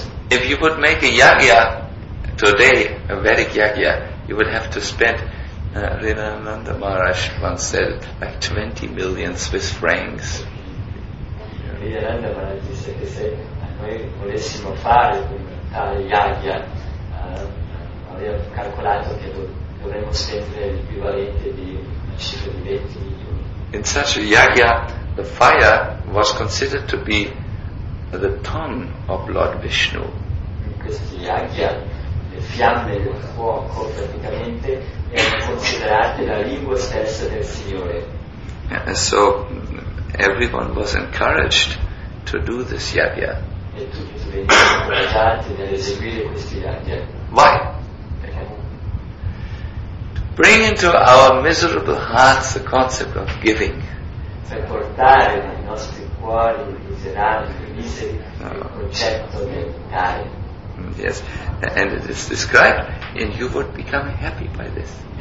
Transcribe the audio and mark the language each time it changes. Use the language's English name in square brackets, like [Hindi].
[English] If you would make a yajna today, a Vedic yajna, you would have to spend, Rinananda Maharaj once said, like 20 million Swiss francs. [Italian] Rinananda Maharaj disse che se noi volessimo fare tale yajna, aveva calcolato che dovremmo spendere l'equivalente di una cifra di 20 milioni. [English] In such a yajna, the fire was considered to be the tongue of Lord Vishnu. [Italian] In questa yajna, le fiamme del fuoco praticamente erano considerate la lingua stessa del Signore. [English] And so everyone was encouraged to do this yajna. [Italian] E tutti venivano incoraggiati nell'eseguire questi yajna. [English] Why? To bring into our miserable hearts the concept of giving. [Italian] Per portare nei nostri cuori miserabili, miseri, il concetto del dare. [English] Yes, and it is described, and you would become happy by this.